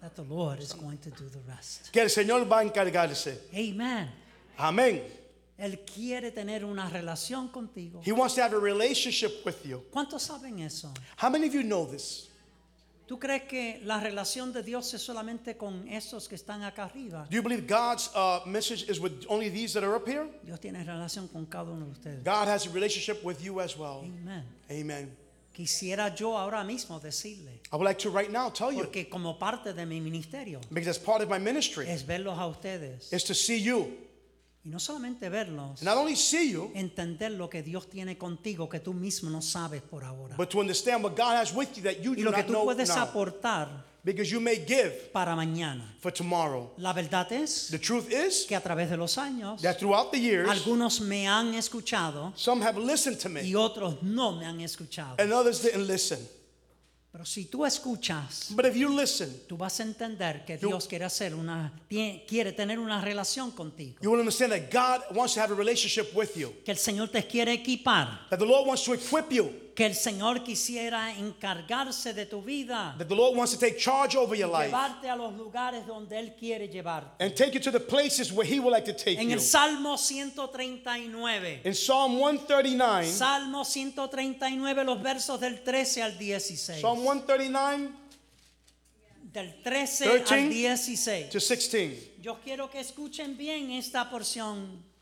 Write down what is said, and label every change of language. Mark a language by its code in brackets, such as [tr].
[en] That the Lord is going to do the rest. [es] Que el Señor va a encargarse. [en] Amen. [es] Amén. Él quiere tener una relación contigo. [en] He wants to have a relationship with you. [es] ¿Cuántos saben eso? [en] How many of you know this? [es] ¿Tú crees que la relación de Dios es solamente con esos que están acá arriba? [en] Do you believe God's message is with only these that are up here? [es] Dios tiene relación con cada uno de ustedes. [en] God has a relationship with you as well. Amen. Amen. [es] Quisiera yo ahora mismo decirle. [en] I would like to right now tell you. [es] Porque como parte de mi ministerio. [en] Because as part of my ministry. [es] Es verlos a ustedes. [en] Is to see you. [es] Y no solamente verlos, [en] not only see you, [es] entender lo que Dios tiene contigo que tú mismo no sabes por ahora, [en] but to understand what God has with you that you do not know now. [es] Y lo que tú puedes aportar. [en] Because you may give [es] para mañana. [en] For tomorrow. [es] La verdad es, [en] the truth is [es] que a través de los años, [en] that throughout the years, [es] algunos me han escuchado, [en] some have listened to me, [es] y otros no me han escuchado, [en] and others didn't listen. [es] Pero si tú escuchas, [en] but if you listen, [es] tú vas a entender que Dios quiere hacer una, quiere tener una relación contigo. [en] You will understand that God wants to have a relationship with you. [es] Que el Señor te quiere equipar. [en] That the Lord wants to equip you. [es] Que el Señor quisiera encargarse de tu vida. [en] That the Lord wants to take charge over your life. [es] Llevarte a los lugares donde él quiere llevarte. [en] And take you to the places where he would like to take en you. [es] En el Salmo 139. [en] In Psalm 139. [es] Salmo 139, los versos del 13 al 16. [en] Psalm 139. [es] Del 13 13 al 16. [en] To 16. [es] Yo quiero que escuchen bien esta porción.